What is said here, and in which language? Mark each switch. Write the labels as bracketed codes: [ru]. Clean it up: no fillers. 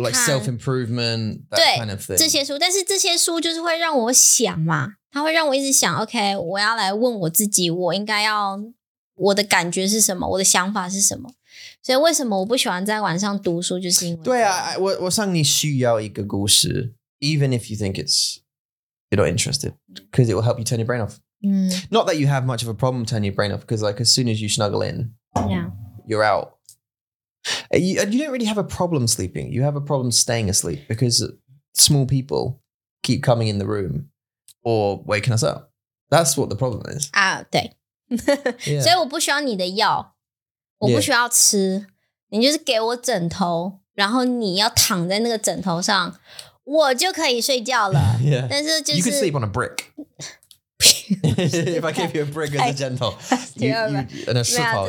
[en] or like self improvement that 对, kind of thing. [zh] 这些书，但是这些书就是会让我想嘛，它会让我一直想 ，OK， 我要来问我自己，我应该要我的感觉是什么，我的想法是什么。所以为什么我不喜欢在晚上读书，就是因为对啊，我上你需要一个故事。 [en] Even if you think it's you're not interested, because it will help you turn your brain off. Not that you have much of a problem turning your brain off, because like as soon as you snuggle in, you're out. You don't really have a problem sleeping. You have a problem staying asleep because small people keep coming in the room or waking us up. That's what the problem is. [zh] 啊，对。 所以我不需要你的药，我不需要吃。你就是给我枕头，然后你要躺在那个枕头上，我就可以睡觉了。 [en] Yeah. [zh] 但是就是 [en] You could sleep on a brick. If I gave you a brick as a gentle, and a slipper,